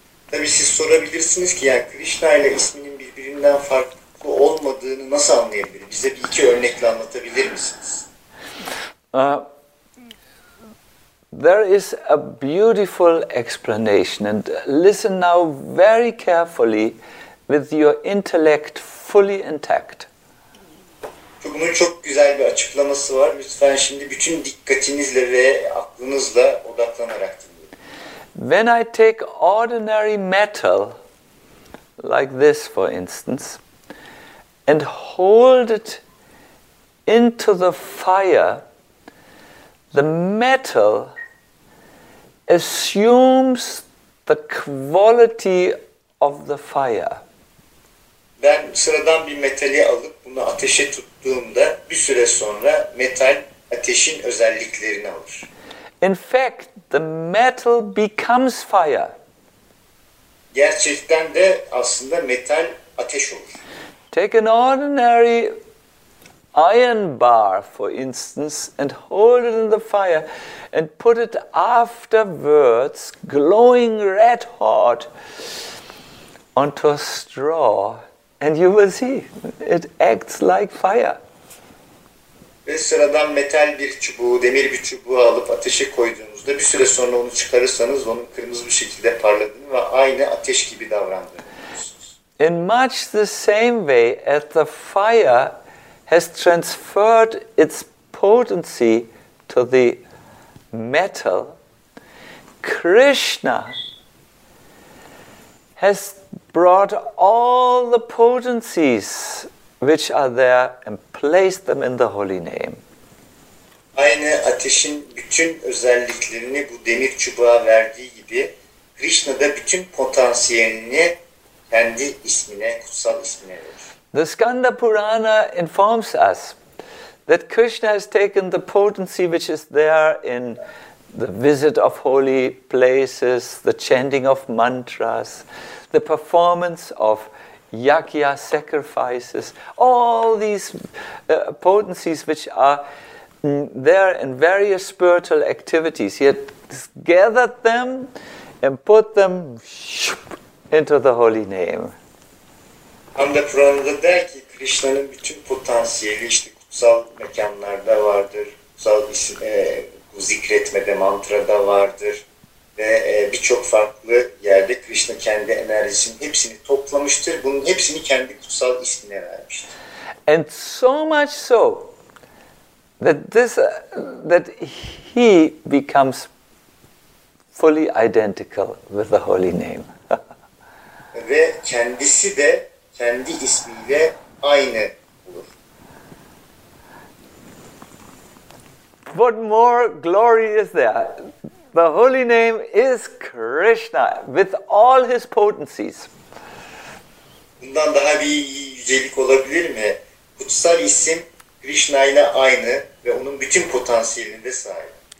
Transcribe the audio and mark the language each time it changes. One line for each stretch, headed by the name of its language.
Turkish: Tabii siz sorabilirsiniz ki, yani Krishna ile isminin birbirinden farklı olmadığını nasıl anlayabilirim? Bize bir iki örnekle anlatabilir misiniz?
English: There is a beautiful explanation, and listen now very carefully with your intellect fully intact.
Turkish: Bunun çok güzel bir açıklaması var. Lütfen şimdi bütün dikkatinizle ve aklınızla odaklanarak dinleyin.
English: When I take ordinary metal, like this for instance, and hold it into the fire, the metal assumes the quality of the fire.
Turkish: Ben sıradan bir metali alıp bunu ateşe tuttuğumda bir süre sonra metal ateşin özelliklerini alır.
English: In fact, the metal becomes fire.
Turkish: Gerçekten de aslında metal ateş olur.
English: Take an ordinary iron bar, for instance, and hold it in the fire and put it afterwards glowing red hot onto a straw, and you will see it acts like fire.
Turkish: Ve sıradan metal bir çubuğu, demir bir çubuğu alıp ateşe koyduğunuzda bir süre sonra onu çıkarırsanız onun kırmızı bir şekilde parladığını ve aynı ateş gibi davrandığını görürsünüz.
English: In much the same way, at the fire has transferred its potency to the metal, Krishna has brought all the potencies which are there and placed them in the holy name.
Turkish: Aynı ateşin bütün özelliklerini bu demir çubuğa verdiği gibi, Krishna da bütün potansiyelini kendi ismine, kutsal ismine verir.
English: The Skanda Purana informs us that Krishna has taken the potency which is there in the visit of holy places, the chanting of mantras, the performance of yajna sacrifices, all these potencies which are there in various spiritual activities. He has gathered them and put them into the holy name.
Turkish: Skanda Purana'da der ki Krishna'nın bütün potansiyeli işte kutsal mekanlarda vardır, kutsal isim, zikretmede, mantrada vardır ve birçok farklı yerde Krishna kendi enerjisinin hepsini toplamıştır. Bunun hepsini kendi kutsal ismine vermiştir.
English: And so much so that this that he becomes fully identical with the holy name.
Turkish: Ve kendisi de kendi ismiyle aynı olur.
English: What more glory is there? The holy name is Krishna with all his potencies.
Turkish: Bundan daha bir yücelik olabilir mi? Kutsal isim Krishna ile aynı ve onun bütün potansiyeline sahip.